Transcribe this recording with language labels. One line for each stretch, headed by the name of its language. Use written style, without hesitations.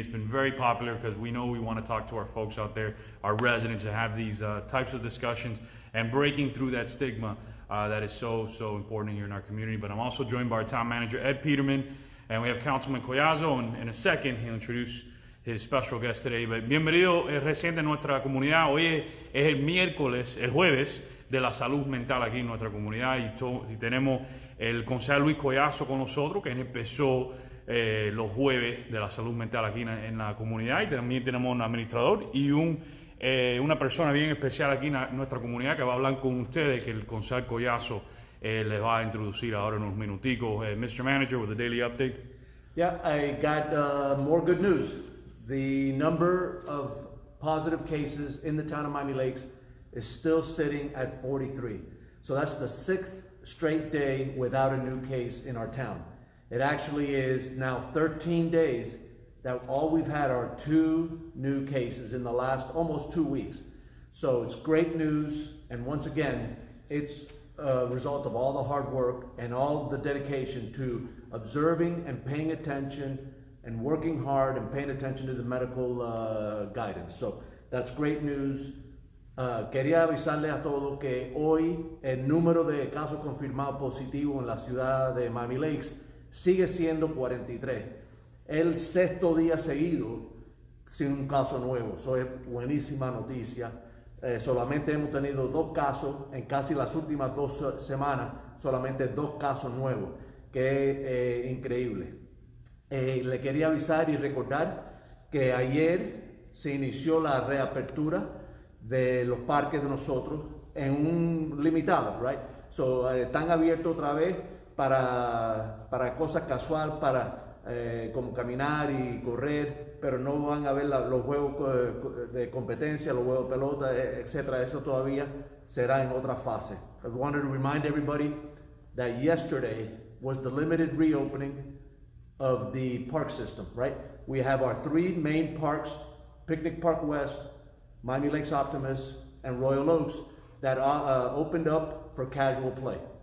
English: It's been very popular because we know we want to talk to our folks out there, our residents, and have these types of discussions and breaking through that stigma that is so important here in our community. But I'm also joined by our Town Manager Ed Pidermann, and we have Councilman Collazo, and in a second he'll introduce his special guest today. But
Spanish: bienvenido reciente en nuestra comunidad. Hoy es el miércoles, el jueves de la salud mental aquí en nuestra comunidad, y tenemos el concejal Luis Collazo con nosotros, que empezó los jueves de la salud mental aquí en la comunidad, y también tenemos un administrador y una persona bien especial aquí en nuestra comunidad que va a hablar con ustedes, que el concejal Collazo les va a introducir ahora en unos minuticos.
English: Mr. Manager, with the daily update. Yeah, I got more good news. The number of positive cases in the town of Miami Lakes is still sitting at 43. So that's the sixth straight day without a new case in our town. It actually is now 13 days that all we've had are two new cases in the last almost 2 weeks. So it's great news. And once again, it's a result of all the hard work and all the dedication to observing and paying attention and working hard and paying attention to the medical guidance. So that's great news.
Spanish: Quería avisarle a todo que hoy el número de casos confirmados positivos en la ciudad de Miami Lakes sigue siendo 43. El sexto día seguido sin un caso nuevo. Eso es buenísima noticia. Solamente hemos tenido dos casos en casi las últimas dos semanas, solamente dos casos nuevos, que es increíble. Le quería avisar y recordar que ayer se inició la reapertura de los parques de nosotros en un limitado,
English: right? So,
Spanish: están abiertos otra vez para cosas casual, para como caminar y correr, pero no van a ver los juegos de competencia, los juegos de pelota, etcétera. Eso todavía será en otra fase.
English: I wanted to remind everybody that yesterday was the limited reopening of the park system, right? We have our three main parks, Picnic Park West, Miami Lakes Optimus, and Royal Oaks, that opened up for casual play.